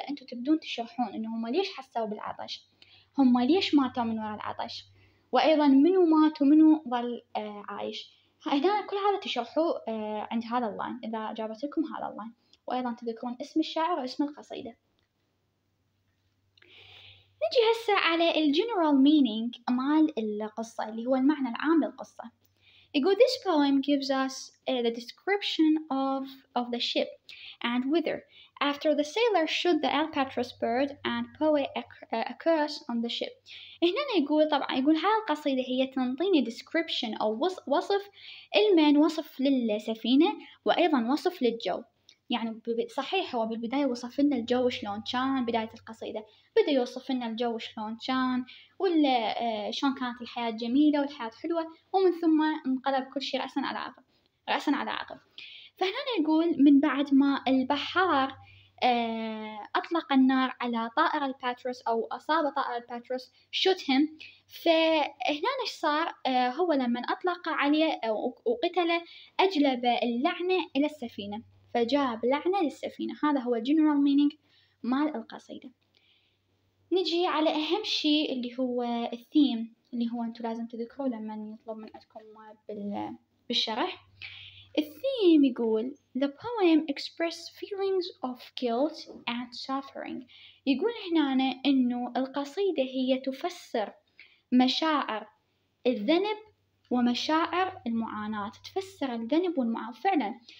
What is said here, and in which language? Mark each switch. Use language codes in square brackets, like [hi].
[ar] انتوا تبدون تشرحون انه هم ليش حسوا بالعطش، هم ليش ماتوا من وراء العطش، وايضا منو مات ومنو ظل عايش. هنا كل هذا تشرحوه عند هذا اللاين اذا جابت لكم هذا اللاين، وأيضا تذكرون اسم الشاعر واسم القصيدة. نجي هسه على الجنرال مينينج مال القصة اللي هو المعنى العام للقصة. يقول [en] this poem gives us the description of the ship and weather after the sailor shot the albatross bird and poe a curse on the ship. [ar] هنا يقول طبعا يقول هاي القصيدة هي تنطيني description أو وصف المن، وصف للسفينة وأيضا وصف للجو. يعني صحيح هو بالبداية وصف لنا الجو شلون كان، بداية القصيدة بدأ يوصف لنا الجو شلون كان وشلون كانت الحياة جميلة والحياة حلوة، ومن ثم انقلب كل شيء رأسا على عقب. فهنا نقول من بعد ما البحار أطلق النار على طائر الباتروس أو أصاب طائر الباتروس شوتهم، فهنا نش صار هو لما أطلق عليه وقتله أجلب اللعنة إلى السفينة، فجاب لعنة للسفينة. هذا هو [en] general meaning [ar] مال القصيدة. نجي على أهم شيء اللي هو الثيم اللي هو أنتوا لازم تذكروه لما يطلب من عندكم بالشرح. الثيم يقول [en] the poem express feelings of guilt and suffering. [ar] يقول هنا إنه القصيدة هي تفسر مشاعر الذنب ومشاعر المعاناة، تفسر الذنب والمعاناة فعلا.